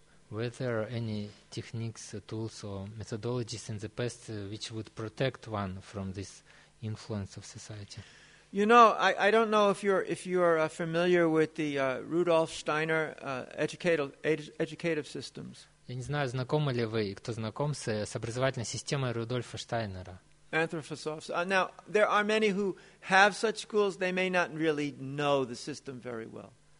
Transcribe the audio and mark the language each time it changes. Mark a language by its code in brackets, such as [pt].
[en] Were there any techniques, tools, or methodologies in the past which would protect one from this influence of society? You know, I don't know if you are familiar with the Rudolf Steiner educative systems. [ru] Я не знаю, знакомы ли вы, кто знаком с образовательной системой Рудольфа Штайнера. [en] Anthroposophs. Now, there are many who have such schools, they may not really know the system very well.